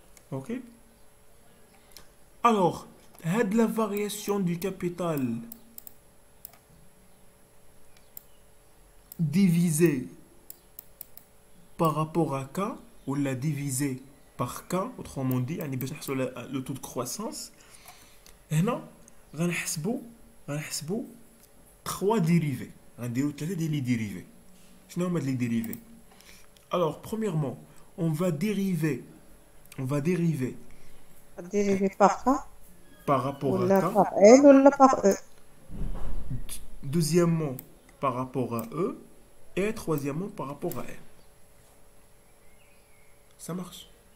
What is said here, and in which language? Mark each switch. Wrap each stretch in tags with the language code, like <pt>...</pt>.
<fr>OK? Alors, de la variation du capital divisée par rapport à K, ou la divisée par K, autrement dit, on est basé sur le taux de croissance.</fr> <ar>هنا غنحسبو تخوا ديريفي غنديرو ثلاثة ديال لي ديريفي شنو هما لي ديريفي</ar> <fr>alors premièrement on va dériver ديريفي par A par rapport à</fr> <ar>ولا</ar> <fr>K par L</fr> <ar>ولا</ar> <fr>par E deuxièmement par rapport à E et troisièmement par rapport à L ça marche</fr>